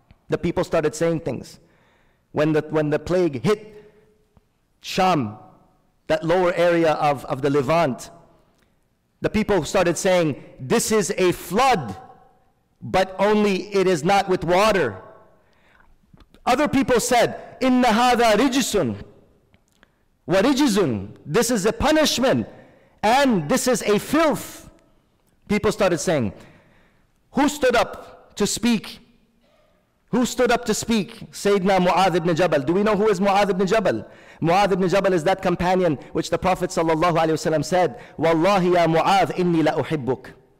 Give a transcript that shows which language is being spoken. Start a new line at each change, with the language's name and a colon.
English: The people started saying things. When the plague hit Sham, that lower area of the Levant, the people started saying, this is a flood, but only it is not with water. Other people said,
Arabic: إِنَّ هَذَا رِجِسٌ وَرِجِسٌ.
English: This is a punishment, and this is a filth. People started saying, who stood up to speak? Who stood up to speak? Sayyidina Mu'adh ibn Jabal. Do we know who is Mu'adh ibn Jabal? Mu'adh ibn Jabal is that companion which the Prophet sallallahu alayhi wasallam said,
Arabic: Wallahi ya Mu'adh, inni la uhibbuk.